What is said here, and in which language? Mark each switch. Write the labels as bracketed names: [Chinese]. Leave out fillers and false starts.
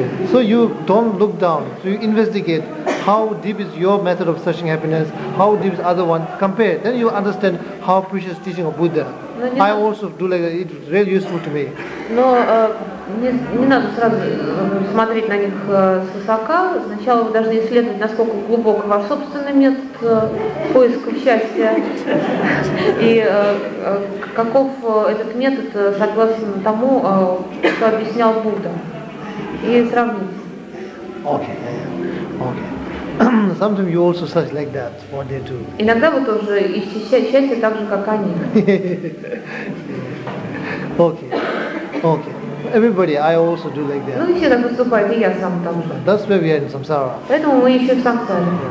[English] So you don't look down, so you investigate how deep is your method of searching happiness, how deep is other one, compare. Then you understand how precious teaching of Buddha. I also do like that, it's really useful to me. [Russian] Но не надо сразу смотреть на них с высока. Сначала вы должны исследовать, насколько глубок ваш собственный метод поиска счастья и каков этот метод согласно тому, что объяснял Будда. И сравнить. [English] Okay, okay. Sometimes you also search like that, what they do. [Russian] Иногда вы тоже ищете счастье так же, как они. [English] Okay. Okay. Everybody, I also do like that. [Russian] Ну, все так поступают, и я сам там же. [English] That's where we are in samsara. [Russian] Поэтому мы еще в самсаре.